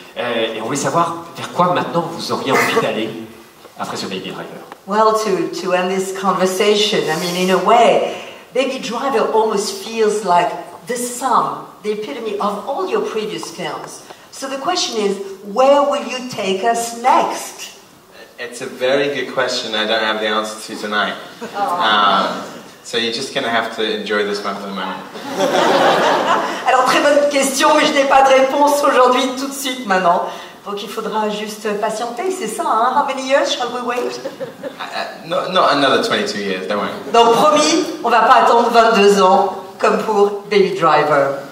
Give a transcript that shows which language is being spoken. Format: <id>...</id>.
<fr>Et on voulait savoir vers quoi maintenant vous auriez envie d'aller après ce Baby Driver.</fr> <en>Well, to end this conversation, I mean, in a way, Baby Driver almost feels like the sum, the epitome of all your previous films. So the question is, where will you take us next? It's a very good question I don't have the answer to tonight. So you're just going to have to enjoy this one for the moment.</en> <fr>Alors, très bonne question, mais je n'ai pas de réponse aujourd'hui, tout de suite, maintenant. Donc il faudra juste patienter, c'est ça, hein?</fr> <en>How many years shall we wait? Not another 22 years, don't worry.</en> <fr>Donc promis, on ne va pas attendre 22 ans, comme pour Baby Driver.</fr>